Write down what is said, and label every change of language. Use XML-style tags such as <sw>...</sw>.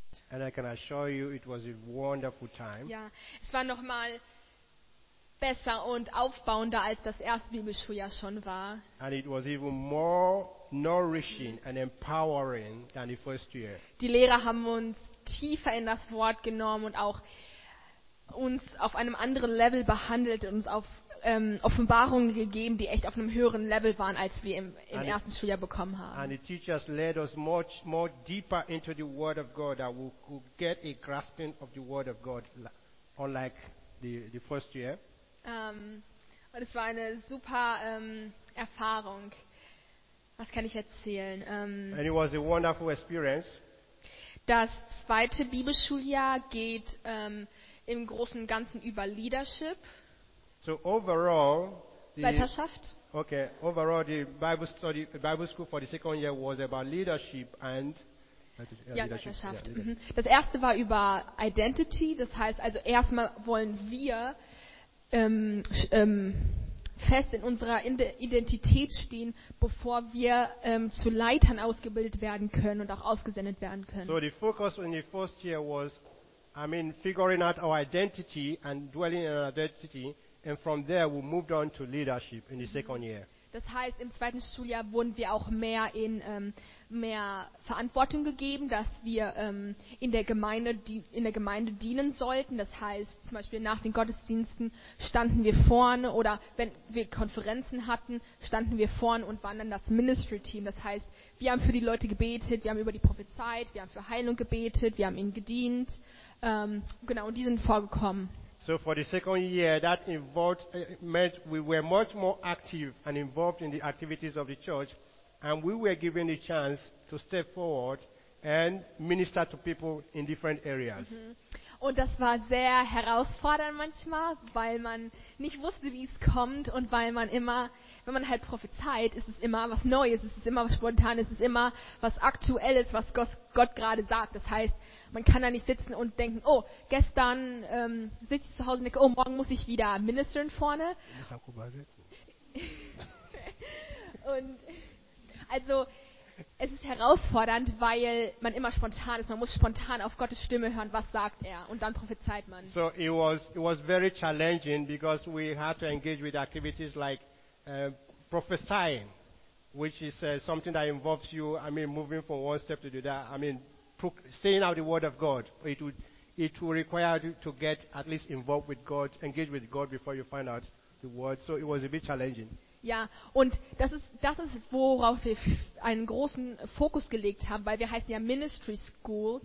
<en>And I can assure you, it was a wonderful time.</en> <de>Ja, es war nochmal besser und aufbauender als das erste Bibelschuljahr schon war.</de> <en>And it was even more nourishing and empowering than the first year.</en> <de>Die Lehrer haben uns tiefer in das Wort genommen und auch uns auf einem anderen Level behandelt und uns auf Offenbarungen gegeben, die echt auf einem höheren Level waren, als wir im ersten Schuljahr bekommen haben.</de> <en>And the teachers led us much more deeper into the Word of God, that we could get a grasping of the Word of God, unlike the first year.</en> <de>Und es war eine super Erfahrung. Was kann ich erzählen?</de> <en>And it was a wonderful experience.</en> <de>Das zweite Bibelschuljahr geht im Großen und Ganzen über Leadership.</de> <en>So overall,</en> <de>Leiterschaft.</de> <en>Okay, overall the Bible study, Bible school for the second year was about leadership and</en> <de>Leiterschaft.</de> <en>Yeah,</en> <de>mm-hmm. Das erste war über Identity, das heißt also erstmal wollen wir fest in unserer Identität stehen, bevor wir zu Leitern ausgebildet werden können und auch ausgesendet werden können.</de> <en>So the focus in the first year was, I mean, figuring out our identity and dwelling in our identity, and from there we moved on to leadership in the second year.</en> <de>Das heißt, im zweiten Schuljahr wurden wir auch mehr in mehr Verantwortung gegeben, dass wir in der Gemeinde dienen sollten. Das heißt, zum Beispiel nach den Gottesdiensten standen wir vorne oder wenn wir Konferenzen hatten, standen wir vorne und waren dann das Ministry-Team. Das heißt, wir haben für die Leute gebetet, wir haben über die prophezeit, wir haben für Heilung gebetet, wir haben ihnen gedient. Genau, und die sind vorgekommen.</de> <en>So for the second year, that involved meant we were much more active and involved in the activities of the church, and we were given the chance to step forward and minister to people in different areas. Mm-hmm.</en> <de>Und das war sehr herausfordernd manchmal, weil man nicht wusste, wie es kommt und weil man immer, wenn man halt prophezeit, ist es immer was Neues, ist es immer was Spontanes, ist es immer was Aktuelles, was Gott gerade sagt. Das heißt, man kann da nicht sitzen und denken, oh, gestern sitze ich zu Hause und denke, oh, morgen muss ich wieder ministern vorne. Und also, es ist herausfordernd, weil man immer spontan ist. Man muss spontan auf Gottes Stimme hören, was sagt er? Und dann prophezeit man.</de> <en>So, it was very challenging, because we had to engage with activities like prophesying, which is something that involves you, I mean, moving from one step to the other, I mean, saying out the word of God. It would require you to get at least involved with God, engage with God before you find out the word. So it was a bit challenging.</en> <de>Ja, und das ist worauf wir einen großen Fokus gelegt haben, weil wir heißen ja Ministry School.</de>